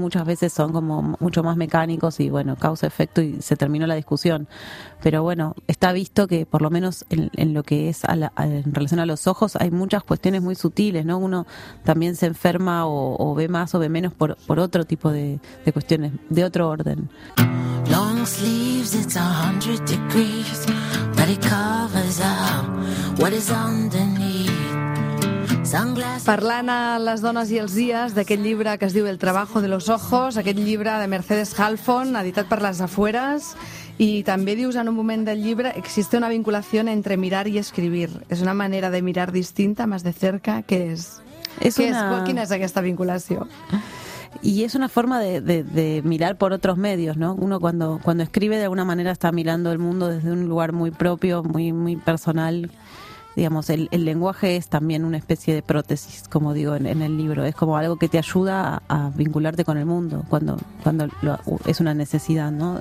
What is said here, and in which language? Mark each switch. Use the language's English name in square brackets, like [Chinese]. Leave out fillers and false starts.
[Spanish] Muchas veces son como mucho más mecánicos y, bueno, causa-efecto y se terminó la discusión. Pero bueno, está visto que por lo menos en lo que es en relación a los ojos hay muchas cuestiones muy sutiles, ¿no? Uno también se enferma o ve más o ve menos por otro tipo de cuestiones, de otro orden. [English] Long sleeves, it's 100 degrees, but it covers up. What is underneath? Sunglasses. [Catalan] Parlant a les dones i els dies d'aquest llibre que es diu El trabajo de los ojos, aquest llibre de Mercedes Halfon, editat per Les Afueres, i també dius en un moment del llibre existe una vinculació entre mirar i escribir. És una manera de mirar distinta, més de cerca, que és? Quina és aquesta vinculació? [Spanish] Y es una forma de mirar por otros medios, ¿no? Uno cuando escribe de alguna manera está mirando el mundo desde un lugar muy propio, muy muy personal. Digamos, el lenguaje es también una especie de prótesis, como digo, en el libro. Es como algo que te ayuda a vincularte con el mundo cuando es una necesidad, ¿no?